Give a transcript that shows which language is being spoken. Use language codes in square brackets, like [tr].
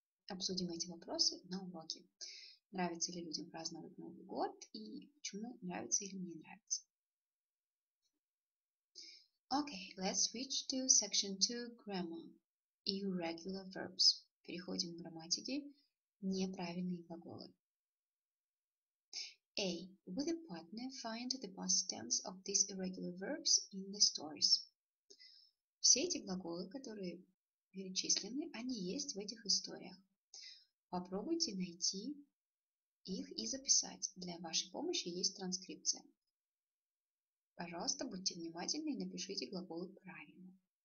[ru] Обсудим эти вопросы на уроке. Нравится ли людям праздновать Новый год и почему нравится или не нравится? [en] Okay, let's switch to section 2, grammar, irregular verbs. [ru] Переходим к грамматике, неправильные глаголы. [en] A. With a partner, find the past tense of these irregular verbs in the stories. [ru] Все эти глаголы, которые перечислены, они есть в этих историях. Попробуйте найти их и записать. Для вашей помощи есть транскрипция. Пожалуйста, будьте внимательны и напишите глаголы правильно.